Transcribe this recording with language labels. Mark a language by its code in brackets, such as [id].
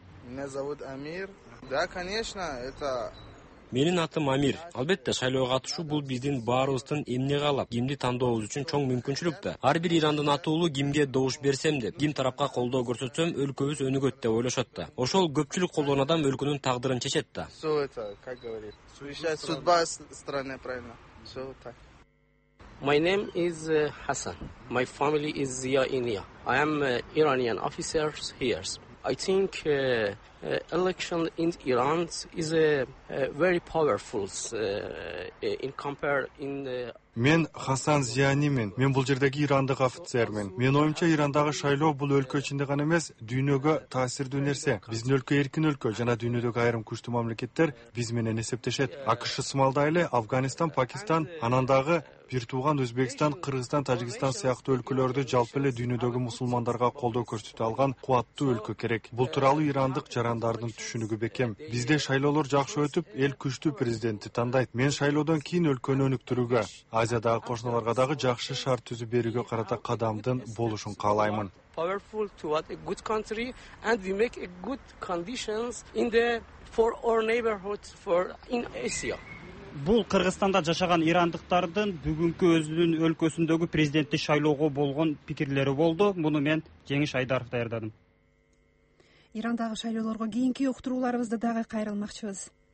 [ru] Меня зовут Амир. Да, конечно, это... [ky] Менин атым Амир. Албетте, шайлоого катышуу бул биздин баарыбыздын эмне каалап, кимди тандообуз үчүн чоң мүмкүнчүлүк да. Ар бир ирандын атуулу кимге добуш берсем деп, ким тарапка колдоо көрсөтсөм, өлкөбүз өнүгөт деп ойлошот да. Ошол көпчүлүк колдогон адам өлкөнүн тагдырын чечет да. [ru] Всё это, как говорит, судьба страны, правильно? Всё так. [en] My name is Hassan. My family is Zia Inia. I am Iranian officer here. I think election in Iran is a very powerful in compare in the [ky] Мен Хасан Зиянимин. Мен бул жердеги ирандык офицермин. Мен оюмча Ирандагы шайлоо бул өлкө ичинде гана эмес, дүйнөгө таасирдүү нерсе. Биздин өлкө эркин өлкө жана дүйнөдөгү айрым күчтүү мамлекеттер биз менен эсептешет. АКШ сымалдай эле Афганистан, Пакистан, анан дагы бир тууган Өзбекстан, Кыргызстан, Тажикстан сыяктуу өлкөлөрдү жалпы эле дүйнөдөгү мусулмандарга колдоо көрсөтө алган кубаттуу өлкө керек. Бул тууралуу ирандык жарандардын түшүнүгү бекем. Бизде шайлоолор жакшы өтүп, эл күчтүү президентти тандайт. Мен шайлоодон кийин өлкөнү өнүктүрүүгө, Азиядагы кошуналарга дагы жакшы шарт түзүп берүүгө карата кадамдын болушун каалаймын. [en] Powerful toward a good country and we make a good conditions in the for our neighborhoods for in Asia. [ky] Бул Кыргызстанда жашаган ирандыктардын бүгүнкү өзүнүн өлкөсүндөгү президенттик шайлоого болгон пикирлери болду. Муну мен Жеңиш Айдаров даярдадым. Ирандагы шайлоолорго кийинки уктурууларыбызды дагы кайрылмакчыбыз.